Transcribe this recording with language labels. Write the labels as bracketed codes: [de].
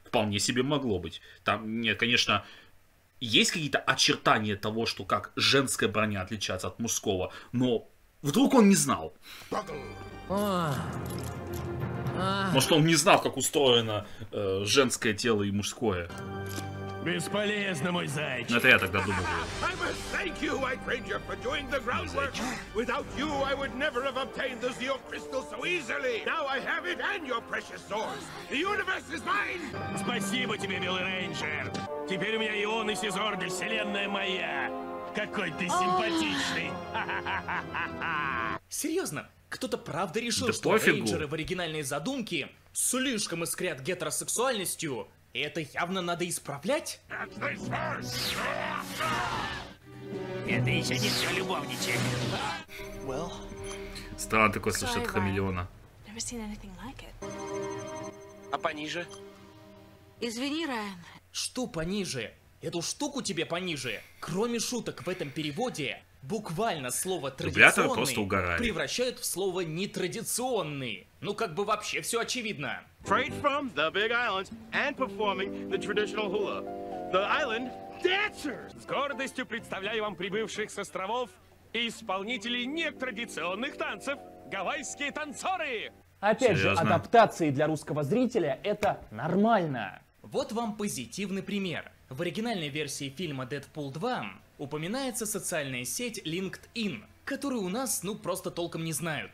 [ru] Вполне себе могло быть. Там, нет, конечно, есть какие-то очертания того, что как женская броня отличается от мужского. Но вдруг он не знал. Может, он не знал, как устроено женское тело и мужское. Бесполезно, мой зайчик. Ну, это я тогда думал. [en] I must thank you, White Ranger, for doing the groundwork. Without you, I would never have obtained the Zeo crystal so easily. Now I have it and your precious source. The universe is mine! [ru] Спасибо тебе, Белый Рейнджер. Теперь у меня и он, и Сизор, и вселенная моя. Какой ты симпатичный. Серьезно? Кто-то правда решил, да что пофигу. Рейнджеры в оригинальной задумке слишком искрят гетеросексуальностью, и это явно надо исправлять? Это еще не все, любовничек. Well, странно такое слышать хамелеона. [en] Like [ru] а пониже? Извини, Райан. Что пониже? Эту штуку тебе пониже? Кроме шуток в этом переводе... Буквально слово «традиционный» превращают в слово «нетрадиционный». Ну, как бы вообще все очевидно. [en] Freight from the Big Island and performing the traditional hula. The island dancers! [ru] С гордостью представляю вам прибывших с островов и исполнителей нетрадиционных танцев – гавайские танцоры! Опять же, адаптации для русского зрителя – это нормально. Вот вам позитивный пример. В оригинальной версии фильма «Дэдпул 2» упоминается социальная сеть LinkedIn, которую у нас, ну, просто толком не знают.